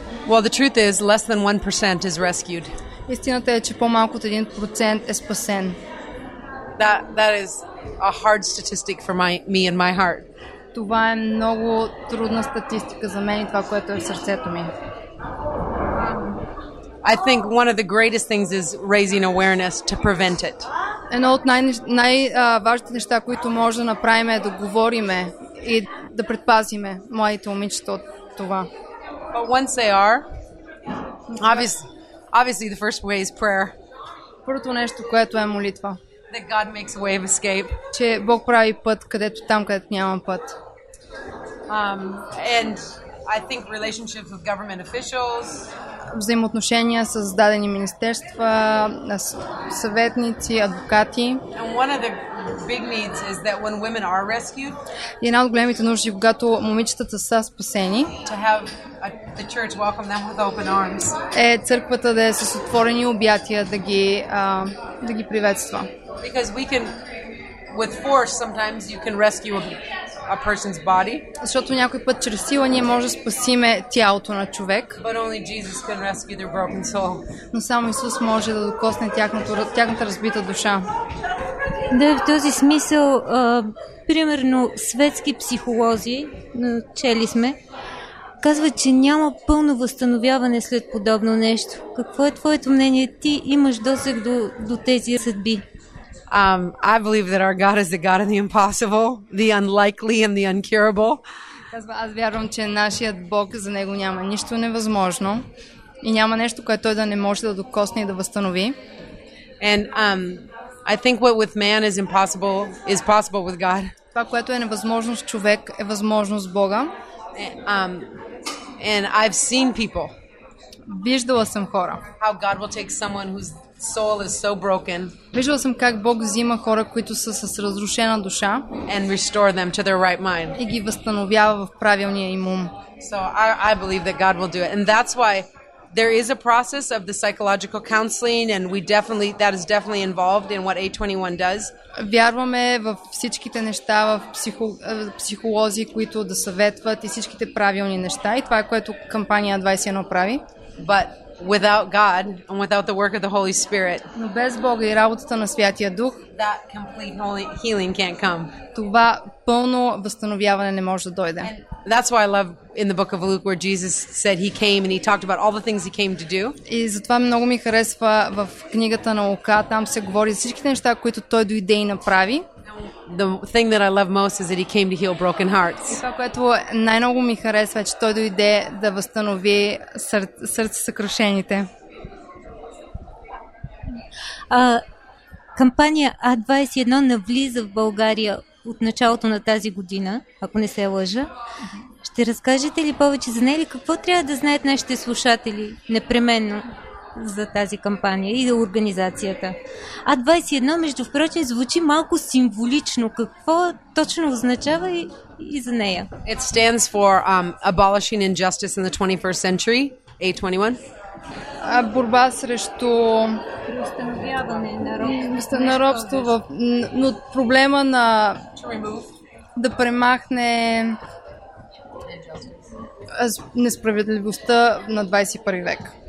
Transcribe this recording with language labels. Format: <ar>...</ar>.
<en>Well, the truth is less than 1% is rescued.</en> <bg>Истината е, че по-малко от 1% е спасен.</bg> <en>That is a hard statistic for me and my heart.</en> <bg>Това е много трудна статистика за мен и това, което е в сърцето ми.</bg> <en>I think one of the greatest things is raising awareness to prevent it.</en> <bg>Едно от най-важните неща, които може да направим е да говориме и да предпазиме младите момичета от това.</bg> <en>But once they are, obviously the first way is prayer.</en> <bg>Първото нещо, което е молитва.</bg> <en>That God makes a way of escape.</en> <bg>Че Бог прави път където там, където няма път.</bg> <en>And I think relationships with government officials.</en> <bg>Взаимоотношения с дадени министерства, съветници, адвокати.</bg> <en>And one of the big needs is that when women are rescued.</en> <bg>И една от големите нужди, когато момичетата са спасени,</bg> <en>to have the church welcome them with open arms.</en> <bg>Е църквата да е с отворени обятия да ги приветства.</bg> <en>Because we can with force sometimes you can rescue a person's body.</en> <bg>Защото някой път чрез сила ние може да спасиме тялото на човек.</bg> <en>But only Jesus can rescue their broken soul.</en> <bg>Но само Исус може да докосне тяхната разбита душа. Да, в този смисъл, примерно светски психолози, чели сме, казват, че няма пълно възстановяване след подобно нещо. Какво е твоето мнение? Ти имаш досег до тези съдби.</bg> <en>I believe that our God is the God of the impossible, the unlikely and the incurable.</en> <bg>Аз вярвам, че нашият Бог, за него няма нищо невъзможно и няма нещо, което той да не може да докосне и да възстанови.</bg> <en>And I think what with man is impossible is possible with God.</en> <bg>Това, което е невъзможно с човек, е възможно с Бога.</bg> <en>And I've seen people.</en> <bg>Виждала съм хора.</bg> <en>How God will take someone whose soul is so broken.</en> <bg>Виждала съм как Бог взима хора, които са с разрушена душа,</bg> <en>and restore them to their right mind.</en> <bg>И ги възстановява в правилния им ум.</bg> <en>So I believe that God will do it, and that's why there is a process of the psychological counseling, and that is definitely involved in what A21 does.</en> <bg>Вярваме в всичките неща, в психолози, които да съветват и всичките правилни неща, и това е което кампания 21 прави.</bg> <en>But without God and without the work of the Holy Spirit,</en> <bg>но без Бога и работата на Святия Дух,</bg> <en>that complete healing can't come.</en> <bg>Това пълно възстановяване не може да дойде.</bg> <en>That's why I love in the book of Luke where Jesus said he came and he talked about all the things he came to do.</en> <bg>И затова много ми харесва в книгата на Лука, там се говори за всичките неща, които той дойде и направи.</bg> <en>The thing that I love most is that he came to heal broken hearts.</en> <bg>И това, което най-много ми харесва, е, че той дойде да възстанови сърце съкрушените. Кампания А21 навлиза в България от началото на тази година, ако не се лъжа. Ще разкажете ли повече за нея? Какво трябва да знаят нашите слушатели непременно за тази кампания и за организацията? А21, между впрочем, звучи малко символично. Какво точно означава и за нея?</bg> <en>It stands for abolishing injustice in the 21st century, A21.</en> <bg>Борба срещу преустановяване на робство, но проблема на да премахне несправедливостта на 21 век.</bg>